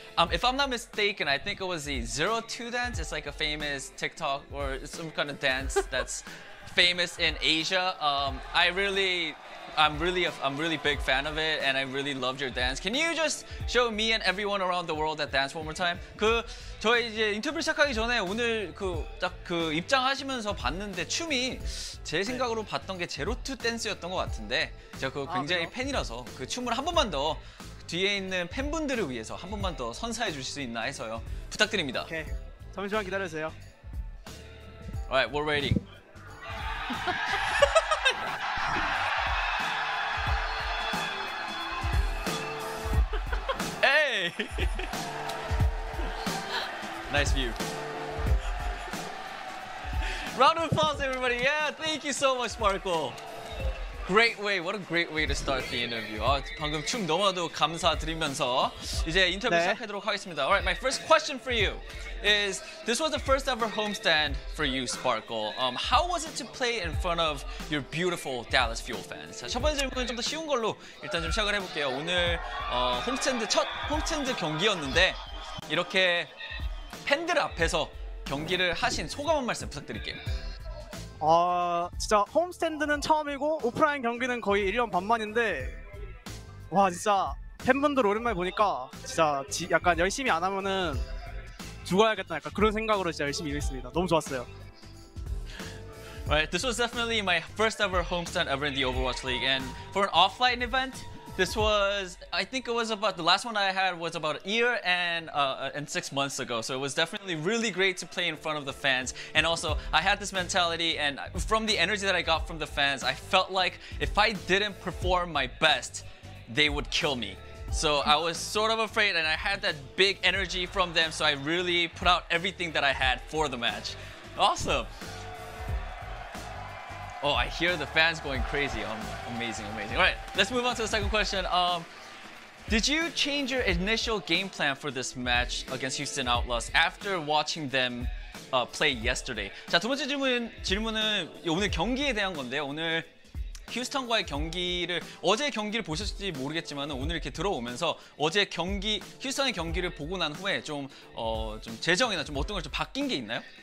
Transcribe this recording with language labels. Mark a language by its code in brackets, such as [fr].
[en] If I'm not mistaken, I think it was the 02 dance. It's like a famous TikTok or some kind of dance that's famous in Asia. I'm really a big fan of it, and I really loved your dance. Can you just show me and everyone around the world that dance one more time? [ko] 그 저희 이제 인터뷰 시작하기 전에 오늘 그 입장하시면서 봤는데 춤이 제 생각으로 네. 봤던 게 제로투 댄스였던 것 같은데 제가 그 굉장히 아, 팬이라서 그 춤을 한 번만 더 뒤에 있는 팬분들을 위해서 한 번만 더 선사해 주실 수 있나 해서요 부탁드립니다. 오케이 잠시만 기다려주세요. [en] Alright, we're waiting. Nice view. Round of applause, everybody. Yeah, thank you so much, Sparkle. Great way. What a great way to start the interview. [ko] 아, 방금 춤 너무나도 감사드리면서 이제 인터뷰 네. 시작하도록 하겠습니다. [en] All right, my first question for you is, this was the first ever homestand for you, Sparkle. How was it to play in front of your beautiful Dallas Fuel fans? [ko] 자, 첫 번째 질문은 좀 더 쉬운 걸로 일단 좀 시작을 해볼게요. 오늘 홈스탠드 첫 홈스탠드 경기였는데 이렇게 팬들 앞에서 경기를 하신 소감 한 말씀 부탁드릴게요. 진짜 홈스탠드는 처음이고 오프라인 경기는 거의 1년 반 만인데 와 진짜 팬분들 오랜만에 보니까 진짜 약간 열심히 안 하면은 죽어야겠다 약간 그런 생각으로 진짜 열심히 일했습니다. 너무 좋았어요. [en] Right, this was definitely my first ever homestand ever in the Overwatch League, and for an offline event, this was, I think it was about, the last one I had was about a year and 6 months ago. So it was definitely really great to play in front of the fans. And also, I had this mentality, and from the energy that I got from the fans, I felt like if I didn't perform my best, they would kill me. So I was sort of afraid, and I had that big energy from them, so I really put out everything that I had for the match. Awesome. Oh, I hear the fans going crazy. Amazing, amazing. All right, let's move on to the second question. Did you change your initial game plan for this match against Houston Outlaws after watching them play yesterday? [ko] 자, 두 번째 질문은 오늘 경기에 대한 건데요. 오늘 휴스턴과의 경기를 어제 경기를 보셨을지 모르겠지만 오늘 이렇게 들어오면서 어제 경기 휴스턴의 경기를 보고 난 후에 좀 재정이나 좀 어떤 걸 좀 바뀐 게 있나요?